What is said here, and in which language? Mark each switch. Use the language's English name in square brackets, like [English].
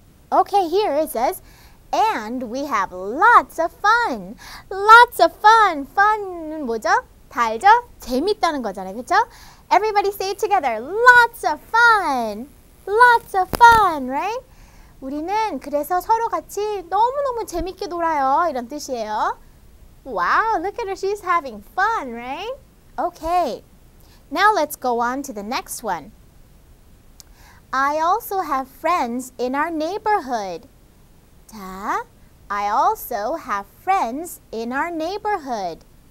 [English] Okay, here it says, and we have lots of fun. Lots of fun. Fun은 [Korean] 뭐죠? 달죠? 재밌다는 거잖아요, 그쵸? [English] Everybody say it together. Lots of fun. Lots of fun, right? [Korean] 우리는 그래서 서로 같이 너무너무 재밌게 놀아요. 이런 뜻이에요. [English] Wow, look at her. She's having fun, right? Okay, now let's go on to the next one. I also have friends in our neighborhood. 자, I also have friends in our neighborhood.